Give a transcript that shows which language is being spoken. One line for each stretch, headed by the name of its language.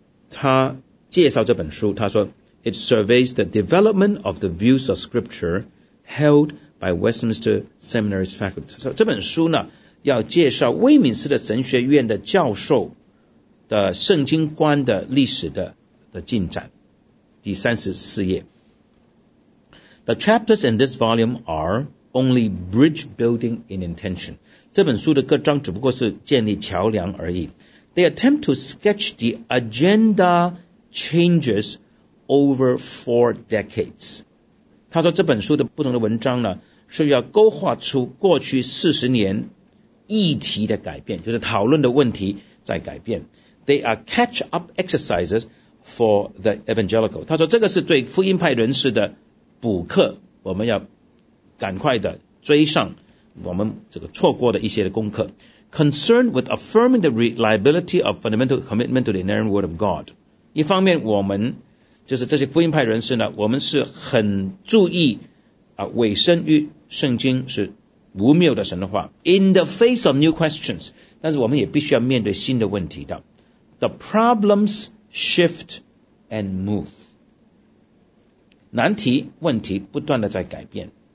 Chinese: 他介绍这本书，他说
English: It surveys the development of the views of scripture held by Westminster Seminary's faculty.
Chinese: 这本书呢要介绍威敏斯特神学院的教授的圣经观的历史 的进展。第34页。
English: The chapters in this volume are only bridge building in intention.
Chinese: 这本书的各章只不过是建立桥梁而已。
English: They attempt to sketch the agenda changes over four decades.
Chinese: 他说这本书的不同的文章呢是要勾画出过去40年议题的改变，就是讨论的问题在改变。
English: They are catch-up exercises for the evangelical.
Chinese: 他说这个是对福音派人士的补课，我们要赶快的追上我们这个错过的一些的功课。
English: Concerned with affirming the reliability of fundamental commitment to the inerrant word of God.
Chinese: 一方面我们就是这些福音派人士呢，我们是很注意委身于圣经是无谬的神的话。
English: In the face of new questions，
Chinese: 但是我们也必须要面对新的问题的。
English: The problems shift and move，
Chinese: 难题问题不断的在改变。